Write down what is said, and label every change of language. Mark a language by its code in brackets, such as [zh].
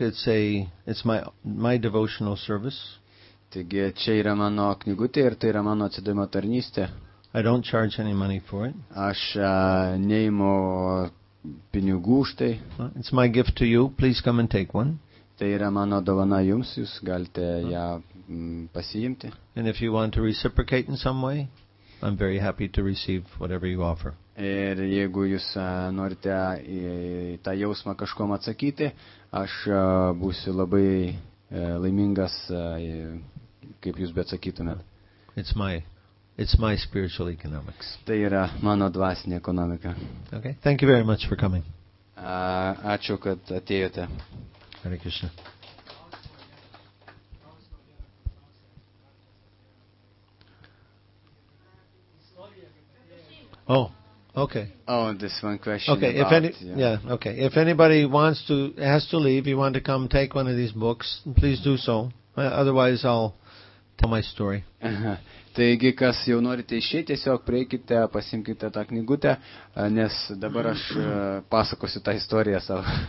[en] It's my devotional service. [lt] Taigi čia yra mano knygutė ir tai yra mano atsidavimo tarnystė. [en] I don't charge any money for it. [lt] Aš neimu pinigų už tai. [en] It's my gift to you. Please come and take one. [lt] Tai yra mano dovana jums. Jūs galite ją pasiimti. [en] And if you want to reciprocate in some way, I'm very happy to receive whatever you offer. [lt] Ir jeigu jūs norite tą jausmą kažkom atsakyti, aš būsiu labai laimingas, kaip jūs bet sakytumėt. [en] It's my spiritual economics. [lt] Tai yra mano dvasinė ekonomika. [en] Okay. Thank you very much for coming. [lt] Ačiū, kad atėjote. [en] Hare Krishna. Oh. Okay. Oh, this one question. Okay, okay. If anybody has to leave, you want to come take one of these books, please do so. Otherwise, I'll tell my story. [lt] Taigi, kas jau norite išėti, tiesiog prieikite, pasimkite tą knygutę, nes dabar aš pasakosiu tą istoriją savo.